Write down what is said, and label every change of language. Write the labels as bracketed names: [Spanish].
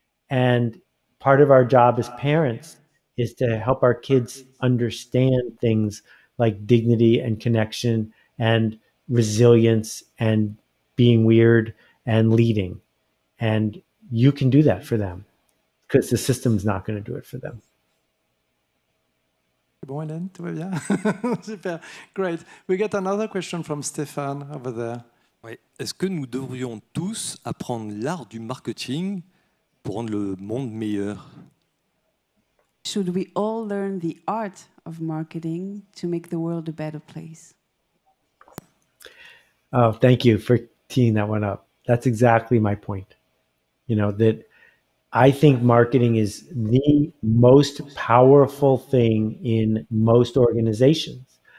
[English] And part of our job as parents is to help our kids understand things like dignity and connection and resilience and being weird and leading. And you can do that for them, because the system's not going to do it for them. [French] C'est bon, Hélène, tout va bien. Super, great. [English] We got another question from Stéphane over there. [French] Oui. Est-ce que nous devrions tous apprendre l'art du marketing pour rendre le monde meilleur? [English] Should we all learn the art of marketing to make the world a better place? Oh, thank you for teeing that one up. That's exactly my point. You know, that I think marketing is the most powerful thing in most organizations.